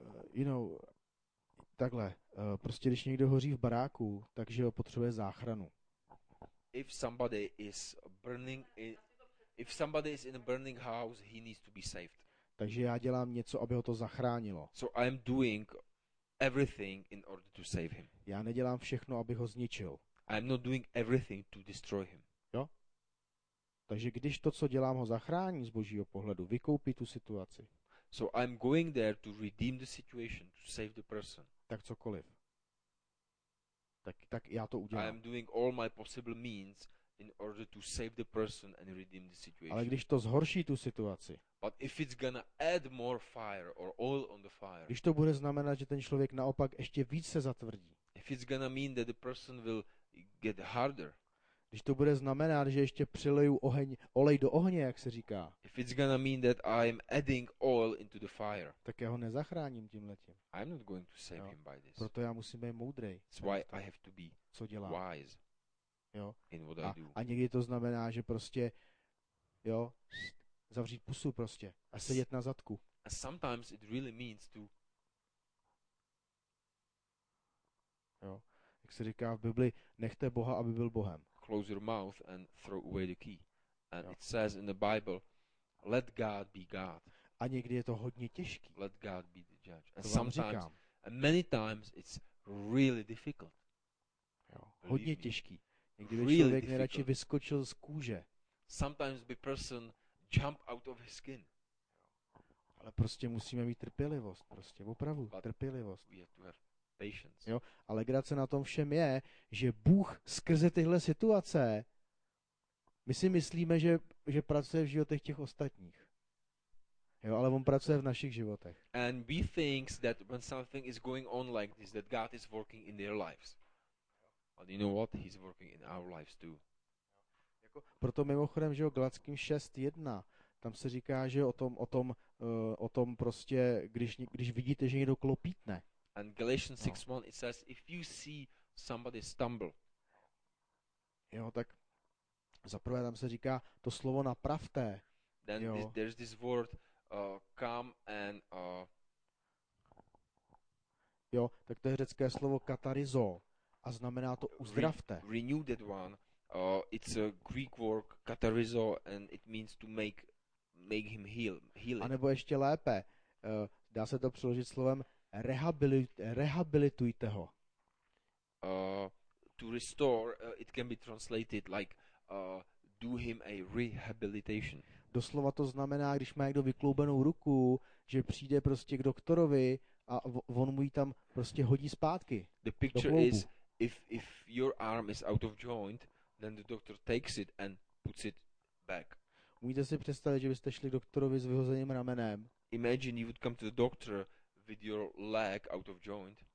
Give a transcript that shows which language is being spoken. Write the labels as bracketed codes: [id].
[en] You know... [cs] Takhle, prostě když někdo hoří v baráku, takže ho potřebuje záchranu. [en] if somebody is burning in, if somebody is in a burning house, he needs to be saved. [cs] Takže já dělám něco, aby ho to zachránilo. [en] So I'm doing everything in order to save him. [cs] Já nedělám všechno, aby ho zničil. [en] I'm not doing everything to destroy him. [cs] Jo? Takže když to, co dělám, ho zachrání z Božího pohledu, vykoupí tu situaci. [en] So I'm going there to redeem the situation, to save the person. [cs] Tak cokoliv. Tak já to udělám. [en] I'm doing all my possible means in order to save the person and redeem the situation. [cs] Ale když to zhorší tu situaci. [en] But if it's gonna add more fire or oil on the fire. [cs] Když to bude znamenat, že ten člověk naopak ještě víc se zatvrdí. [en] If it's gonna mean that the person will get harder. [cs] Když to bude znamenat, že ještě přileju oheň, olej do ohně, jak se říká. [en] If it's gonna mean that I'm adding oil into the fire. [cs] Tak já ho nezachráním tímhletím. [en] I'm not going to save him by this. [cs] Proto já musím být moudrý. [en] That's why I have to be [cs] co dělám. [en] Wise. [cs] Jo. [en] In what I do. [cs] A někdy to znamená, že prostě jo, zavřít pusu prostě a sedět na zadku. [en] And sometimes it really means to. [cs] Jo. Jak se říká v Bibli, nechte Boha, aby byl Bohem. [en] Close your mouth and throw away the key. And jo. It says in the Bible, let God be God. [cs] A někdy je to hodně těžký. [en] Let God be the judge. And sometimes, [cs] říkám. [en] And many times it's really difficult. [cs] Jo. Hodně těžký. Někdy by [en] really [cs] člověk nejradši vyskočil z kůže. [en] Sometimes the person jump out of his skin. [cs] Ale prostě musíme mít trpělivost, prostě opravdu [en] but [cs] trpělivost. [en] We have to have patience. [cs] Jo, ale legrace na tom všem je, že Bůh skrze tyhle situace my si myslíme, že pracuje v životech těch ostatních. Jo, ale on pracuje v našich životech. [en] And we think that when something is going on like this that God is working in their lives. But you know what? He's working in our lives too. [cs] Jako, proto mimochodem, že o Galackým 6:1, tam se říká, že o tom prostě, když vidíte, že někdo klopítne. [en] And Galatians 6:1 it says if you see somebody stumble. [cs] Jo, tak za prvé tam se říká to slovo napravte. [en] Then [cs] jo. [en] There's this word come and [cs] jo, tak to je řecké slovo katarizo. A znamená to uzdravte. [en] Renew that one. It's a Greek word katarizo and it means to make him heal. [cs] A nebo ještě lépe, dá se to přeložit slovem rehabilitujte ho. [en] To restore, it can be translated like do him a rehabilitation. [cs] Doslova to znamená, když má někdo vykloubenou ruku, že přijde prostě k doktorovi a on mu ji tam prostě hodí zpátky. [en] The picture is if your arm is out of joint, then the doctor takes it and puts it back. [cs] Můžete si představit, že byste šli k doktorovi s vyhozeným ramenem. [en] Imagine you would come to the doctor with your leg out of joint.